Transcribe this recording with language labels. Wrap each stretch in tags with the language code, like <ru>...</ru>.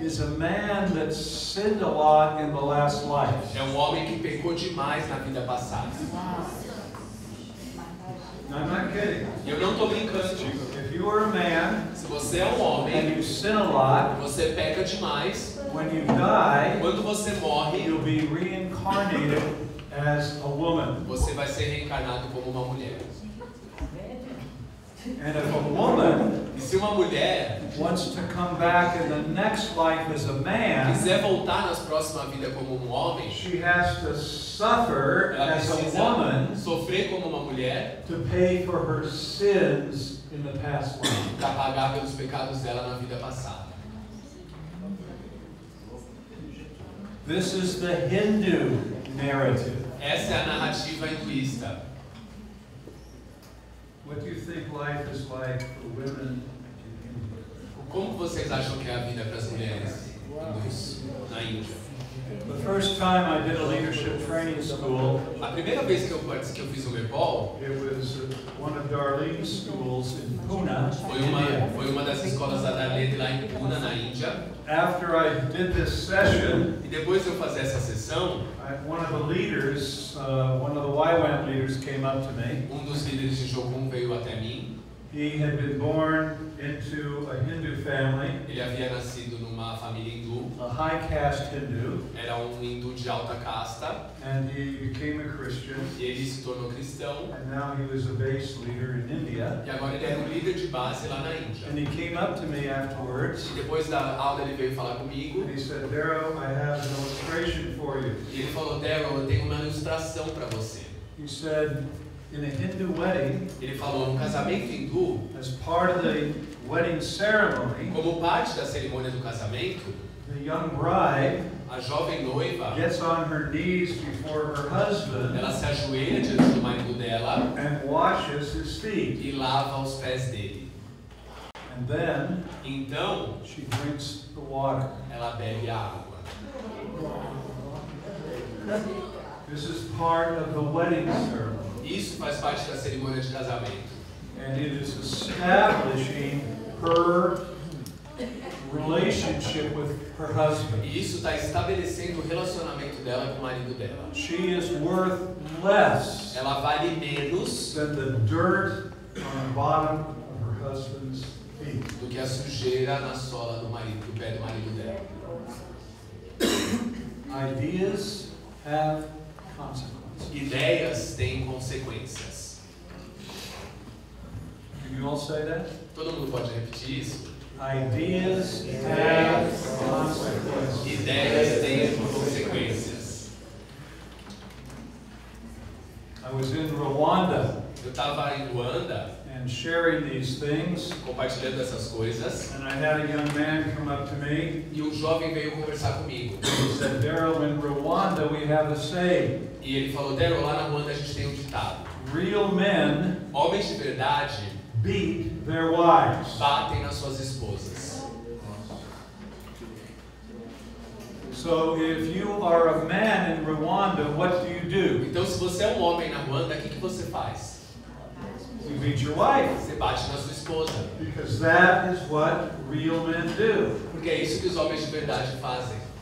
<en>is a man that sinned a lot in the last life.</en> <pt>É um homem que pecou demais na vida passada.</pt> <en>No, I'm not kidding.</en> <pt>Eu não estou brincando.</pt> <en>If you are a man,</en> <pt>se você é um homem,</pt> <en>and you sin a lot,</en> <pt>você peca demais.</pt> <en>When you die,</en> <pt>quando você morre,</pt> <en>you'll be reincarnated as a woman.</en> <pt>Você vai ser reencarnado como uma mulher.</pt> <en>And if a woman,</en> <pt>e se uma mulher</pt> <en>wants to come back in the next life as a man,</en> <pt>quiser voltar na próxima vida como um homem,</pt> <en>she has to suffer as a woman,</en> <pt>sofrer como uma mulher,</pt> <en>to pay for her sins in the past life,</en> <pt>para pagar pelos pecados dela na vida passada.</pt> <en>This is the Hindu narrative.</en> <pt>Essa é a narrativa hinduísta.</pt> <en>What do you think life is like for women in India?</en> <pt>Como vocês acham que é a vida para as mulheres na Índia?</pt> <en>The first time I did a leadership training school,</en> <pt>a primeira vez que eu fiz o Bepal,</pt> <en>it was one of Darlene's schools in Pune.</en> <pt>Foi uma das escolas da Darlene lá em Pune, na Índia.</pt> <en>After I did this session,</en> <pt>e depois eu fazer essa sessão,</pt> <en>one of the leaders, one of the YWAM leaders came up to me.</en> <pt>Um dos líderes de Jogum veio até mim.</pt> <en>He had been born into a Hindu family.</en> <pt>Ele havia nascido numa família hindu.</pt> <en>A high caste Hindu.</en> <pt>Era um hindu de alta casta.</pt> <en>And he became a Christian.</en> <pt>E ele se tornou cristão.</pt> <en>And now he was a base leader in India.</en> <pt>E agora ele era um líder de base lá na Índia.</pt> <en>And he came up to me afterwards.</en> <pt>E depois da aula ele veio falar comigo.</pt> <en>And he said, "Darrow, I have an illustration for you."</en> <pt>E ele falou, "Darrow, eu tenho uma ilustração para você."</pt> <en>He said, in a Hindu wedding,</en> <pt>ele falou, um casamento hindu,</pt> <en>as part of the wedding ceremony,</en> <pt>como parte da cerimônia do casamento,</pt> <en>the young bride,</en> <pt>a jovem noiva,</pt> <en>gets on her knees before her husband,</en> <pt>ela se ajoelha diante do marido dela,</pt> <en>and washes his feet,</en> <pt>e lava os pés dele.</pt> <en>And then,</en> <pt>então,</pt> <en>she drinks the water,</en> <pt>ela bebe a água.</pt> <en>This is part of the wedding ceremony.</en> <pt>Isso faz parte da cerimônia de casamento.</pt> <en>and it is establishing her relationship with her husband.</en> <pt>E isso está estabelecendo o relacionamento dela com o marido dela.</pt> <en>She is worth less.</en> <pt>Ela vale menos</pt> <en>than the dirt on the bottom of her husband's feet.</en> <pt>Do que a sujeira na sola do marido, do pé do marido dela.</pt> <en>Ideas have consequences.</en> <pt>Ideias têm consequências.</pt> <en>Can you all say that?</en> <pt>Todo mundo pode repetir isso?</pt> <en>Ideas have consequences.</en> <pt>Ideias têm consequências.</pt> <en>I was in Rwanda.</en> <pt>Eu estava em Ruanda.</pt> <en>And sharing these things.</en> <pt>Compartilhando essas coisas.</pt> <en>And I had a young man come up to me.</en> <pt>E um jovem veio conversar comigo.</pt> <en>He said, "Daryl, in Rwanda we have a saying."</en> <pt>E ele falou, Daryl, lá na Ruanda a gente tem um ditado.</pt> <en>Real men.</en> <pt>Homens de verdade.</pt> <en>Beat their wives.</en> <pt>Batem nas suas esposas.</pt> <en>So if you are a man in Rwanda, what do you do?</en> <pt>Então se você é um homem na Ruanda, o que que você faz?</pt> <en>You beat your wife.</en> <pt>Você bate na sua esposa.</pt> <en>Because that is what real men do.</en> <pt>Porque é isso que os homens de verdade fazem.</pt>